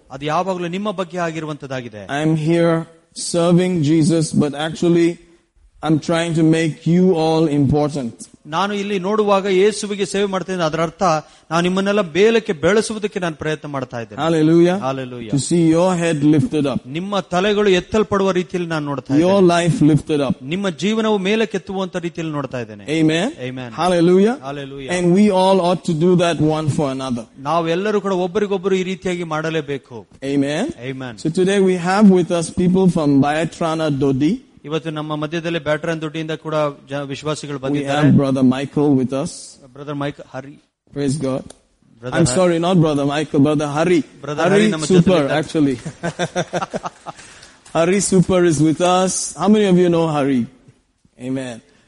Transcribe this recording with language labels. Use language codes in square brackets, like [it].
[kn] ಅದು ಯಾವಾಗಲೂ ನಿಮ್ಮ ಬಗ್ಗೆ ಆಗಿರುವಂತದಾಗಿದೆ. [en] I'm here serving Jesus, but actually I'm trying to make you all important. [kn] ನಾನು ಇಲ್ಲಿ ನೋಡುವಾಗ ಯೇಸುವಿಗೆ ಸೇವೆ ಮಾಡ್ತಿದ್ದೇನೆ, ಅದರ ಅರ್ಥ ನಾನು ನಿಮ್ಮನ್ನೆಲ್ಲ ಬೇಲಕ್ಕೆ ಬೆಳೆಸುವುದಕ್ಕೆ ನಾನು ಪ್ರಯತ್ನ ಮಾಡ್ತಾ ಇದ್ದೇನೆ. [en] Hallelujah. Hallelujah. To see your head lifted up. [kn] ನಿಮ್ಮ ತಲೆಗಳು ಎತ್ತಲ್ಪಡುವ ರೀತಿಯಲ್ಲಿ ನಾನು ನೋಡ್ತಾ ಇದ್ದೇನೆ. [en] Your life lifted up. [kn] ನಿಮ್ಮ ಜೀವನವು ಮೇಲಕ್ಕೆತ್ತುವಂತ ರೀತಿಯಲ್ಲಿ ನೋಡ್ತಾ ಇದ್ದೇನೆ. [en] Amen. Amen. Hallelujah. Hallelujah. And we all ought to do that one for another. [kn] ನಾವೆಲ್ಲರೂ ಕೂಡ ಒಬ್ಬರಿಗೊಬ್ಬರು ಈ ರೀತಿಯಾಗಿ ಮಾಡಲೇಬೇಕು. [en] Amen. Amen. So today we have with us people from Bayatrana Dodi. [kn] ಇವತ್ತು ನಮ್ಮ ಮಧ್ಯದಲ್ಲಿ ಬ್ಯಾಟ್ರನ್ ದುಡ್ಡಿಯಿಂದ ಕೂಡ ವಿಶ್ವಾಸಿಗಳು ಬಂದಿದ್ದಾರೆ. [en] Brother Michael with us. Brother Michael Hari. Praise God. I'm sorry, not brother Michael, brother Hari. [kn] Brother ಹರಿ ನಮ್ಮ super. [en] Actually Hari super is with us. How many of you know Hari? Amen.